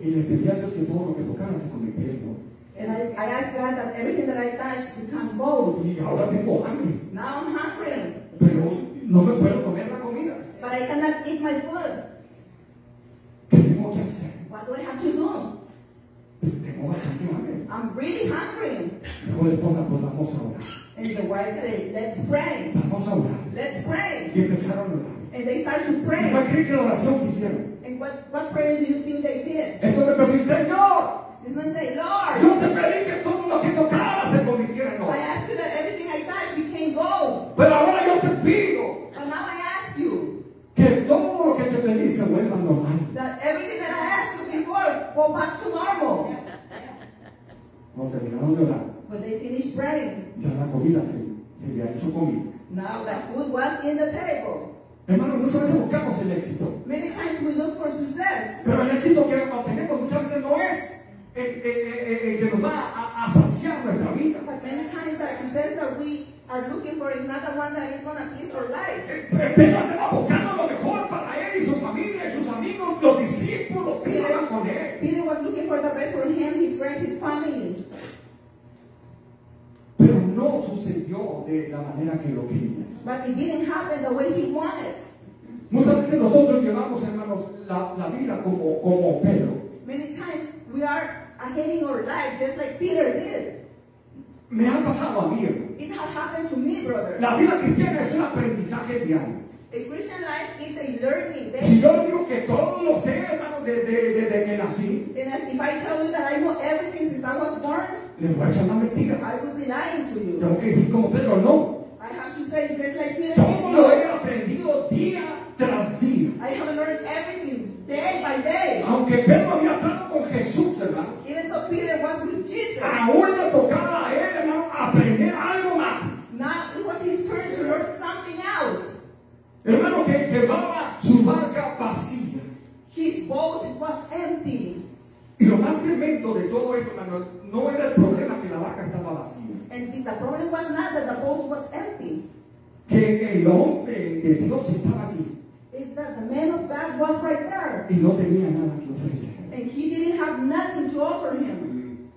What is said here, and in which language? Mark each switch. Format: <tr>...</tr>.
<es>Y le pedí a Dios que todo lo que tocara se convirtiera en oro.</es> <en>And I asked God that everything that I touch become gold.</en> <es>Y ahora tengo hambre.</es> <en>Now I'm hungry.</en> <es>Pero no me puedo comer la comida.</es> <en>But I cannot eat my food.</en> <es>¿Qué tengo que hacer?</es> <en>What do I have to do?</en> <es>Tengo bastante hambre.</es> <en>I'm really hungry.</en> <es>Luego la esposa, pues vamos a orar.</es> <en>And the wife said, let's pray.</en> <es>Vamos a orar.</es> <en>Let's pray.</en> <es>Y empezaron a orar.</es> <en>And they started to pray.</en> <es>¿Cuál creen que la oración hicieron?</es> <en>And what prayer do you think they did?</en> <es>Esto me pedí, Señor.</es> <en>This man said, Lord.</en> <es>Yo te pedí que todo lo que tocara se convirtiera en oro.</es> <en>I asked you that everything I touched became gold.</en> <es>Pero ahora yo te pido.</es> <en>But now I ask you.</en> <es>Que todo lo que te pedí se vuelva normal.</es> <en>That everything that I asked you before go back to normal.</en> <es>No terminaron de orar.</es> <en>But they finished praying.</en> <es>Ya la comida se había hecho comida.</es> <en>Now the food was in the table.</en> <es>Hermano, muchas veces buscamos el éxito.</es> <en>Many times we look for success.</en> <es>Pero el éxito que obtenemos muchas veces no es el que nos va a saciar nuestra vida.</es> <en>But many times the success that we are looking for is not the one that is going to please our life.</en> <es>Pero andamos buscando lo mejor para él y su familia, y sus amigos, los discípulos que estaban con él.</es> <en>Peter was looking for the best for him, his friends, his family.</en> <es>Pero no sucedió de la manera que lo quería.</es> <en>But it didn't happen the way he wanted.</en> <es>Muchas veces nosotros llevamos, hermanos, la vida como Pedro.</es> <en>Many times we are ahead our life just like Peter did.</en> <es>Me ha pasado a mí.</es> <en>It has happened to me, brother.</en> <es>La vida cristiana es un aprendizaje diario.</es> <en>A Christian life is a learning.</en> <es>Si yo digo que todo lo sé, hermano, desde que nací.</es> <en>And if I tell you that I know everything since I was born,</en> <es>le voy a echar una mentira.</es> <en>I would be lying to you.</en> <es>Tengo que decir como Pedro, no.</es> <en>I have to say just like Peter.</en> <es>Todo lo he aprendido día tras día.</es> <en>I have learned everything day by day.</en> <es>Aunque Pedro había estado con Jesús, hermano.</es> <en>Even though Peter was with Jesus.</en> <es>Aún le tocaba a él, hermano, aprender algo más.</es> <en>Now it was his turn to learn something else.</en> <es>Hermano, que llevaba su barca vacía.</es> <en>His boat was empty.</en> <es>Y lo más tremendo de todo esto, hermano, no era el problema que la barca estaba vacía.</es> <en>And the problem was not that the boat was empty.</en> <es>Que el hombre de Dios estaba allí.</es> <en>Is that the man of God was right there.</en> <es>Y no tenía nada que ofrecer.</es> <en>And he didn't have nothing to offer him.</en>